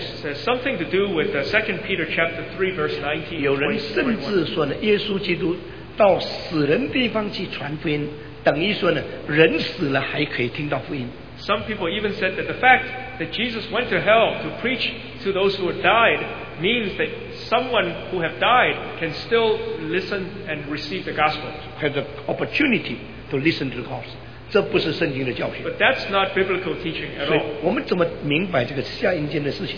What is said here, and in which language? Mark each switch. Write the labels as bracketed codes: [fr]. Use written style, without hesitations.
[en] This has something to do with 2 Peter chapter 3 verse 19. [zh] 有人甚至说呢，耶稣基督到死人地方去传福音。等于说呢，人死了还可以听到福音。 [en] Some people even said that the fact that Jesus went to hell to preach to those who had died means that someone who have died can still listen and receive the gospel. Have the opportunity to listen to the gospel. [zh] 这不是圣经的教训。 [en] But that's not biblical teaching at all. [zh] 所以我们怎么明白这个下阴间的事情？